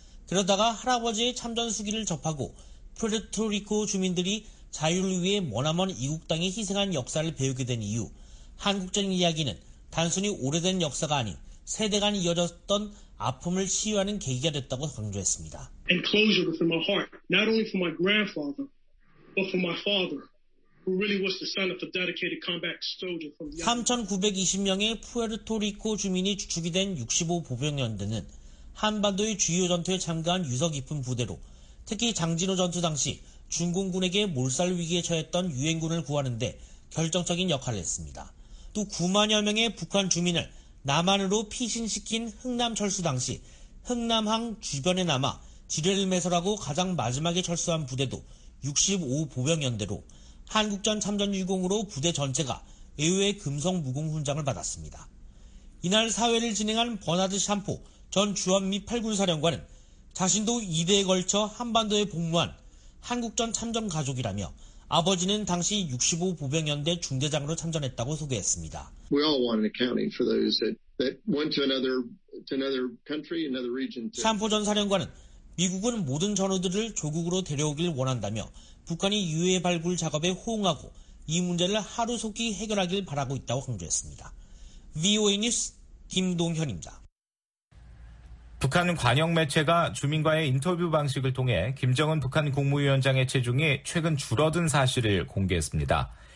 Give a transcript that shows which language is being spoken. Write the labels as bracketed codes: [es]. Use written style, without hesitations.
[ko] 그러다가 할아버지의 참전 수기를 접하고 푸에르토리코 주민들이 자유를 위해 머나먼 이국 땅에 희생한 역사를 배우게 된 이후 한국전 이야기는 단순히 오래된 역사가 아닌 세대 간 이어졌던 아픔을 치유하는 계기가 됐다고 강조했습니다. [en] And closure for my heart, not only for my grandfather, but for my father, who really was the son of the dedicated combat soldier from the [ko] 3,920명의 푸에르토리코 주민이 주축이 된 65 보병연대는 한반도의 주요 전투에 참가한 유서 깊은 부대로 특히 장진호 전투 당시 중공군에게 몰살 위기에 처했던 유엔군을 구하는데 결정적인 역할을 했습니다. 또 9만여 명의 북한 주민을 남한으로 피신시킨 흥남 철수 당시 흥남항 주변에 남아 지뢰를 매설하고 가장 마지막에 철수한 부대도 65 보병연대로 한국전 참전유공으로 부대 전체가 애호의 금성 무공 훈장을 받았습니다. 이날 사회를 진행한 버나드 샴포 전 주한미 8군 사령관은 자신도 2대에 걸쳐 한반도에 복무한 한국전 참전 가족이라며 아버지는 당시 65 보병연대 중대장으로 참전했다고 소개했습니다. [en] We all want an accounting for those that went to another country, another region. [ko] 샴포 전 사령관은 미국은 모든 전우들을 조국으로 데려오길 원한다며 북한이 유해 발굴 작업에 호응하고 이 문제를 하루속히 해결하길 바라고 있다고 강조했습니다. VOA 뉴스 김동현입니다. 북한 관영 매체가 주민과의 인터뷰 방식을 통해 김정은 북한 국무위원장의 체중이 최근 줄어든 사실을 공개했습니다.